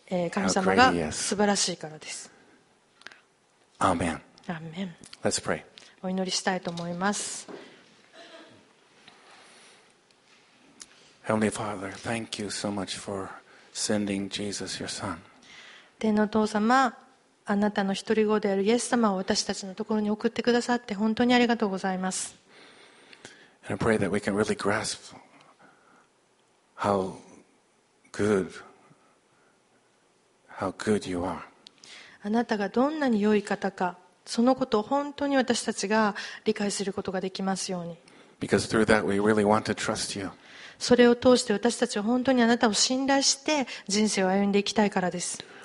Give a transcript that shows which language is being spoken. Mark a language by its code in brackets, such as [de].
[ja] 神様が素晴らしいからです。アーメン。アーメン。 [en] Let's pray. [ja] お祈りしたいと思います。 [en] Heavenly Father, thank you so much for sending Jesus, your Son. [ja] 天のお父様、あなたの一人子であるイエス様を私たちのところに送ってくださって本当にありがとうございます。 [en] And I pray that we can really grasp how good you are. [ja] あなたがどんなに良い方か、そのことを本当に私たちが理解することができますように。 [en] Because through that we really want to trust you. [ja] それを通して私たちは本当にあなたを信頼して人生を歩んでいきたいからです。